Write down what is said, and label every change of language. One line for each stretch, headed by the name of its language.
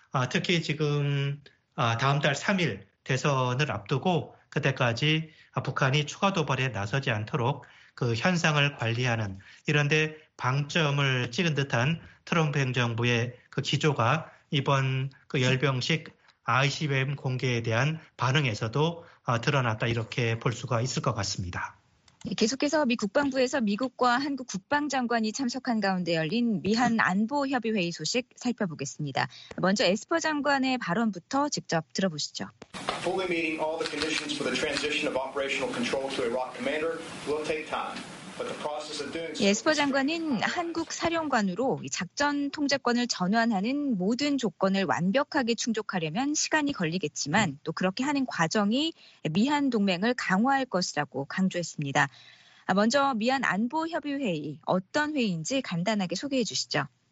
Korean: 특히 지금 다음 달 3일 대선을 앞두고 그때까지 북한이 추가 도발에 나서지 않도록 그 현상을 관리하는 이런 데 방점을 찍은 듯한 트럼프 행정부의 그 기조가 이번 그 열병식 ICBM 공개에 대한 반응에서도 드러났다 이렇게 볼 수가 있을 것 같습니다. 계속해서 미 국방부에서 미국과 한국 국방장관이 참석한 가운데 열린 미한 안보협의회의 소식 살펴보겠습니다. 먼저 에스퍼 장관의 발언부터 직접 들어보시죠.
English: Fully meeting all the conditions for the transition of operational control to Iraq commander will take time.
Korean: 에스퍼 장관은 한국 사령관으로 작전 통제권을 전환하는 모든 조건을 완벽하게 충족하려면 시간이 걸리겠지만 또 그렇게 하는 과정이 미한 동맹을 강화할 것이라고 강조했습니다. 먼저 미한 안보협의회의 어떤 회의인지 간단하게 소개해 주시죠.